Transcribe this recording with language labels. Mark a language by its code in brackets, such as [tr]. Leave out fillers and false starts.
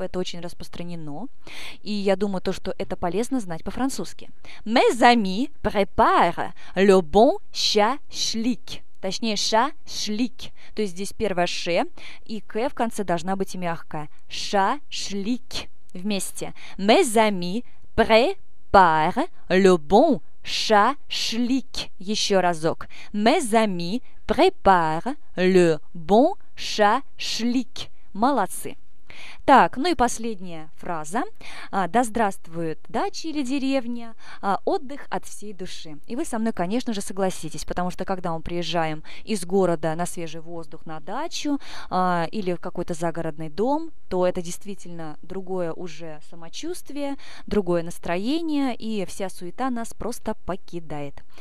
[ru] Это очень распространено. И я думаю, то, что это полезно знать по-французски. [fr] Mes amis préparent le bon шашлык. [ru] Точнее, ша-шлик. То есть здесь первое ше, и к в конце должна быть мягкая. Ша-шлик. Вместе. [fr] Mes amis préparent le bon ша-шлик. [ru] Еще разок. [fr] Mes amis préparent le bon ша-шлик. [ru] Молодцы. Так, ну и последняя фраза. Да здравствует дача или деревня, отдых от всей души. И вы со мной, конечно же, согласитесь, потому что когда мы приезжаем из города на свежий воздух на дачу или в какой-то загородный дом, то это действительно другое уже самочувствие, другое настроение, и вся суета нас просто покидает.